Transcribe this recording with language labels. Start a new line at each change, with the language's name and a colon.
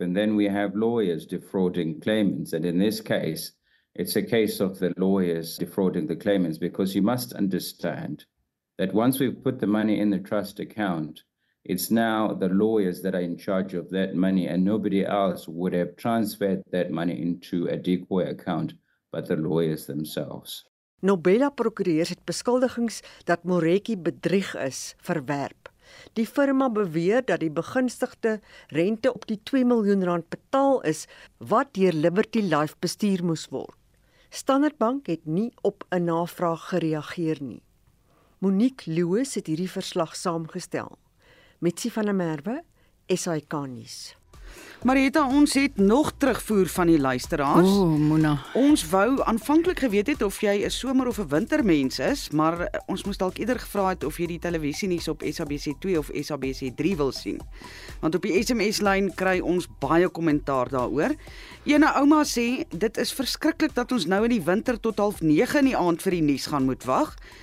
English: And then we have lawyers defrauding claimants. And in this case, it's a case of the lawyers defrauding the claimants, because you must understand that once we've put the money in the trust account, it's now the lawyers that are in charge of that money, and nobody else would have transferred that money into a decoy account but the lawyers themselves.
Afrikaans: Nobela prokureurs het beskuldigings dat Moreki bedrieg is verwerp. Die firma beweer dat die begunstigde rente op die 2 miljoen rand betaal is wat deur Liberty Life bestuur moes word. Standard Bank het nie op 'n navraag gereageer nie. Monique Lewis het hierdie verslag saamgestel. Mitsi van der Merwe, SAK nuus. Marieta, ons het nog terugvoer van die luisteraars. O, Mona. Ons wou aanvanklik geweet het of jy 'n somer of 'n wintermens is, maar ons moes dalk eerder gevra het of jy die televisie nuus op SABC 2 of SABC 3 wil sien. Want op die SMS-lyn kry ons baie kommentaar daaroor. Ene ouma sê, dit is verskriklik dat ons nou in die winter tot 8:30 in die aand vir die nuus gaan moet wag.